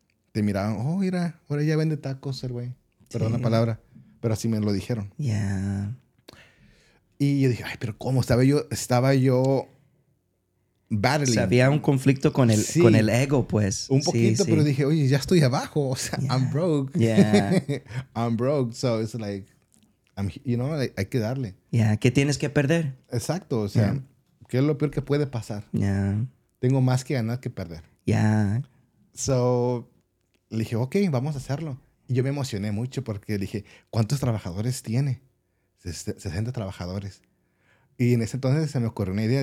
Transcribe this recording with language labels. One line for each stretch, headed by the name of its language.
Spanish: Te miraban, oh, mira, ahora ya vende tacos el güey. Perdón la palabra, pero así me lo dijeron. Y yo dije, ay, pero ¿cómo? Estaba yo battling. O sea, había un conflicto con el, con el ego, pues. Un poquito, pero dije, oye, ya estoy abajo. O sea,
English: I'm broke. I'm broke. So it's like, I'm, you know, like,
Spanish: hay que darle. ¿Qué tienes que perder? Exacto. O sea, ¿qué es lo peor que puede pasar? Tengo más que ganar que perder. So le dije, ok, vamos a hacerlo. Y yo me emocioné mucho porque dije, ¿cuántos trabajadores tiene? 60 trabajadores. Y en ese entonces se me ocurrió una idea.